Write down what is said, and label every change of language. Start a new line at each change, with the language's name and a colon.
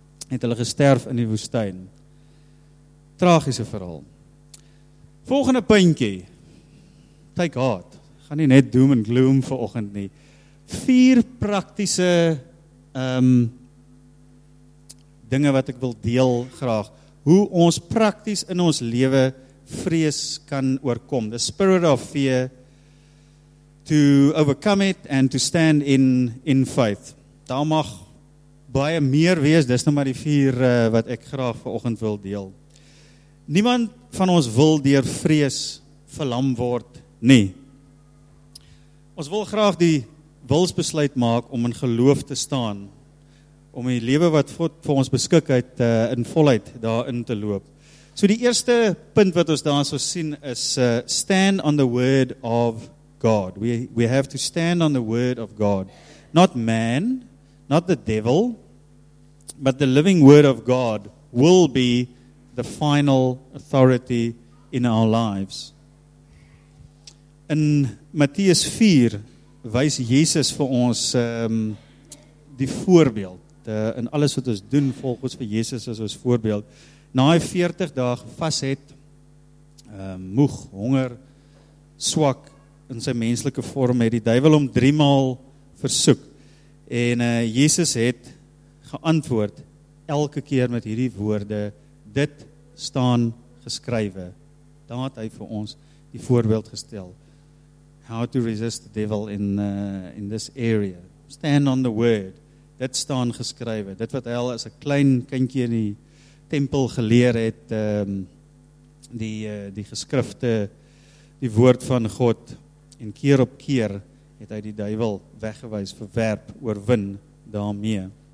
Afrikaans: Het hulle gesterf in die woestyn. Tragiese verhaal. Volgende puntjie.
English: Take heart.
Afrikaans: Gaan nie net
English: doom and gloom
Afrikaans: vanoggend nie. Vier praktiese dinge wat ek wil deel graag. Hoe ons prakties in ons lewe vrees kan oorkom.
English: The spirit of fear to overcome it and to stand in faith.
Afrikaans: Daar mag baie meer wees, dis nou maar die vier wat ek graag vanoggend wil deel. Niemand van ons wil deur vrees verlam word nie. Ons wil graag die wilsbesluit maak om in geloof te staan, om die lewe wat God vir ons beskik het in volheid daarin te loop. So die eerste punt wat ons daar sou sien is
English: stand on the word of God. We have to stand on the word of God, not man. Not the devil, but the living word of God will be the final authority in our lives.
Afrikaans: In Matteus 4 wys Jesus vir ons die voorbeeld. In alles wat ons doen, volg ons vir Jesus as ons voorbeeld. Na hy 40 dae gevas het, moeg, honger, swak in sy menslike vorm, het die duivel hom 3 maal versoek. En Jesus het geantwoord elke keer met hierdie woorde, dit staan geskrywe. Daar het hy vir ons die voorbeeld gestel.
English: How to resist the devil in this area. Stand on the word.
Afrikaans: Dit staan geskrywe. Dit wat hy al as 'n klein kindjie in die tempel geleer het, die geskrifte, die woord van God, en keer op keer, het hy die duivel weggewys, verwerp, oorwin daarmee.